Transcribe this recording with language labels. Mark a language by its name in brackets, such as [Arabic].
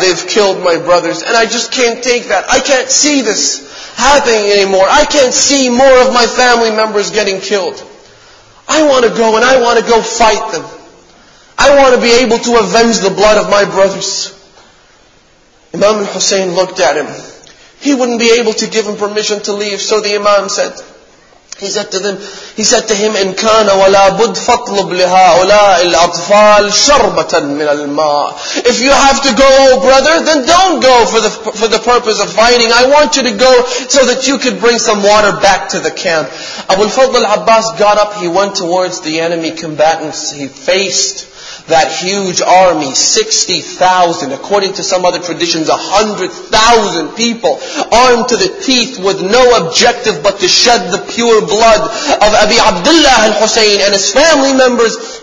[English] They've killed my brothers and I just can't take that. I can't see this happening anymore. I can't see more of my family members getting killed. I want to go and I want to go fight them. I want to be able to avenge the blood of my brothers. Imam al-Husayn looked at him. He wouldn't be able to give him permission to leave. So the Imam said, He said to him, [Arabic] إِنْ كَانَ وَلَا بُدْ فَطْلُبْ لِهَا أُولَاءِ الْأَطْفَالِ شَرْبَةً مِنَ الْمَاءِ. [English] If you have to go, oh brother, then don't go for the purpose of fighting. I want you to go so that you could bring some water back to the camp. Abu al-Fadl al-Abbas got up, he went towards the enemy combatants, he faced that huge army, 60,000, according to some other traditions, 100,000 people, armed to the teeth with no objective but to shed the pure blood of Abi Abdullah al-Husayn and his family members.